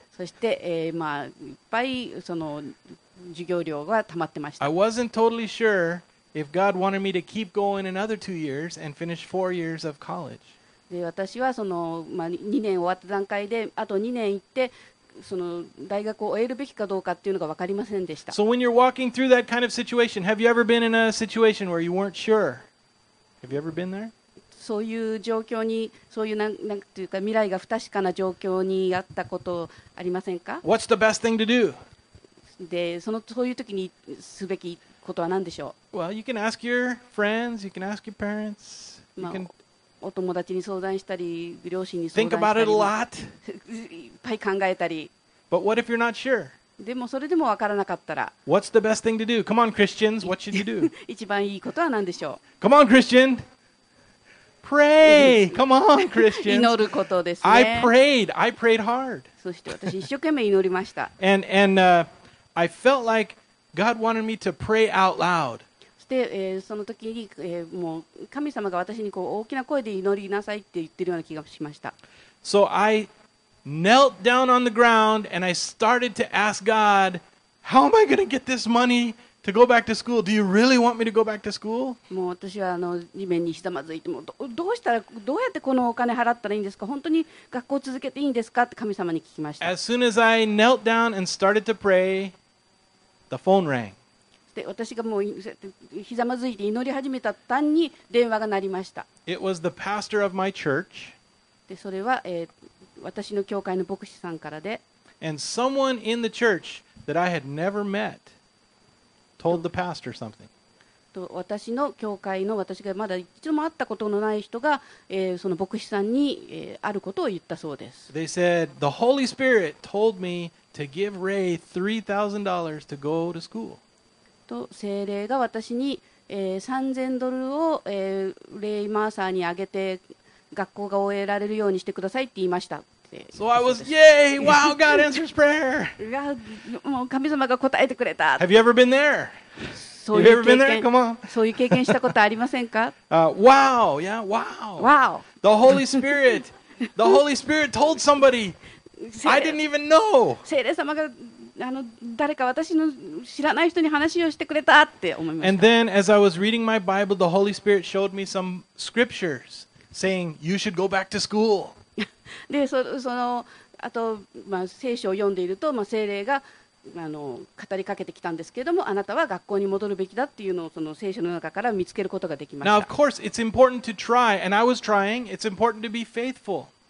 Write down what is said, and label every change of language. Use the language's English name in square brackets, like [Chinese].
[Japanese] そして、まあ、いっぱいその授業料が貯まってました。 [English] I wasn't totally sure if God wanted me to keep going another 2 years and finish 4 years of college. [Japanese] で私はその、まあ、2年終わった段階であと2年行ってその大学を終えるべきかどうかっていうのが分かりませんでした。 [English] So when you're walking through that kind of situation, have you ever been in a situation where you weren't sure? Have you ever been there? [Japanese] そういう状況に、そういうなんていうか未来が不確かな状況にあったことありませんか? [English] What's the best thing to do? [Japanese] で、その、そういう時にすべきことは何でしょう? [English] Well, you can ask your friends, you can ask your parents, you can... [Japanese] お友達に相談したり、両親に相談したり、いっぱい考えたり。 [English] But what if you're not sure? [Japanese] でもそれでも分からなかったら。 [English] What's the best thing to do? Come on, Christians, what should you do? [Japanese] 一番いいことは何でしょう? [English] Come on, Christian! Pray! Come on, Christian! [Japanese] 祈ることですね。 [English] I prayed hard. [Japanese] そして私一生懸命祈りました。 [English] And I felt like God wanted me to pray out loud. [Japanese] で、その時に、もう神様が私にこう大きな声で祈りなさいって言ってるような気がしました。 [English] So I knelt down on the ground and I started to ask God, how am I going to get this money to go back to school? Do you really want me to go back to school? [Japanese] もう私はあの地面にひざまずいて、もう どうしたら、どうやってこのお金払ったらいいんですか？本当に学校続けていいんですかって神様に聞きました。 [English] As soon as I knelt down and started to pray, the phone rang. [Japanese] で私がもうひざまずいて祈り始めた途端に電話が鳴りました。 [English] It was the pastor of my church. [Japanese] でそれは、私の教会の牧師さんからで。 [English] And someone in the church that I had never met told the pastor something. [Japanese] と私の教会の私がまだ一度も会ったことのない人が、その牧師さんに、あることを言ったそうです。 [English] They said the Holy Spirit told me to give Ray $3,000 to go to school. [Japanese] と聖霊が私に、3000ドルを、レイマーサーにあげて学校が終えられるようにしてくださいって言いました。 [English] So I was, yay! Wow, God answers prayer! [Japanese] もう神様が答えてくれた。 [English] Have you ever been there? [Japanese] そういう経験、 [English] Come on. [Japanese] そういう経験したことありませんか? [English] Wow! Yeah, wow! Wow! The Holy Spirit! The Holy Spirit told somebody! I didn't even know! [Japanese] 聖霊様があの誰か私の知らない人に話をしてくれたって思いました。 [English] And then, as I was reading my Bible, the Holy Spirit showed me some scriptures saying, you should go back to school. [Japanese] で、その、あと、まあ、聖書を読んでいると、まあ、聖霊が、あの、語りかけてきたんですけれども、あなたは学校に戻るべきだっていうのをその聖書の中から見つけることができました。 [English] Now, of course, it's important to try, and I was trying. It's important to be faithful.